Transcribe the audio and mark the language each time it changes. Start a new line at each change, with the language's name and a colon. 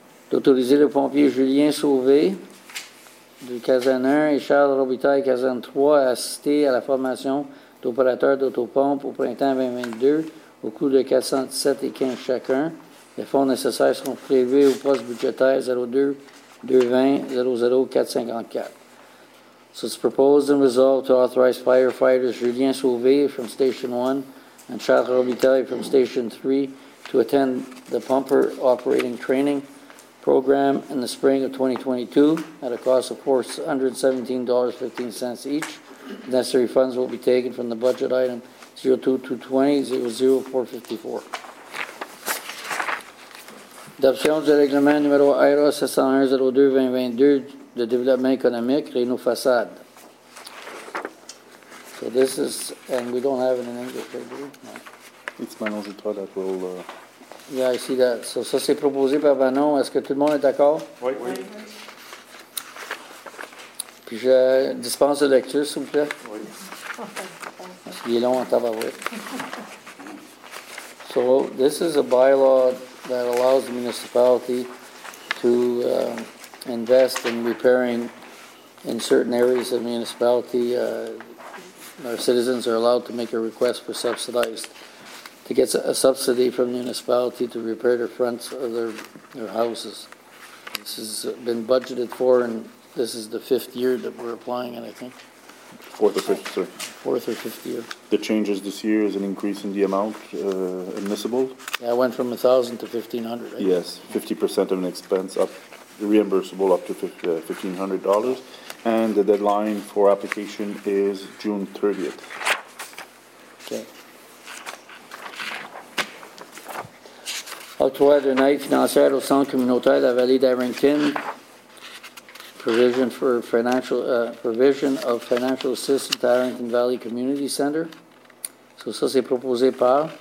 French: D'autoriser le pompier Julien Sauvé du Casan 1 et Charles Robitaille Casan 3 à assister à la formation d'opérateurs d'autopompe au printemps 2022 au coût de 417 et 15 chacun. Les fonds nécessaires seront prévus au poste budgétaire 02-220-00-454.
English: So it's proposed and resolved to authorize firefighters Julien Sauvé from Station 1 and Charles Robitaille from Station 3 to attend the pumper operating training program in the spring of 2022 at a cost of $417.15 each. Necessary funds will be taken from the budget item 02220-00454.
French: Adoption du règlement numéro IRA 701-02-2022 de développement économique, Réno Façade.
English: So this is, and we don't have it in English, do we? No. It's Manon Jutras that will... Yeah, I see that. So,
French: ça c'est proposé par Manon. Est-ce que tout le monde est d'accord? Oui, oui. Puis je dispense de lecture, s'il vous plaît. Oui. Parce qu'il est long en tabarouette.
English: So, this is a bylaw that allows the municipality to invest in repairing in certain areas of the municipality. Our citizens are allowed to make a request for subsidized. To get a subsidy from the municipality to repair the fronts of their houses. This has been budgeted for, and this is the fifth year that we're applying it, I think. Fourth or fifth, sir. Fourth or fifth year. The changes this year is an increase in the amount admissible. Yeah, it went from 1,000 to 1,500, right? Yes, 50% of an expense up, reimbursable up to $1,500. And the deadline for application is June 30th. Okay.
French: Octroi d'un aide financière au centre communautaire de la vallée d'Arrington.
English: Provision of financial assistance to Arrington Valley Community Center.
French: So, ça, c'est proposé par?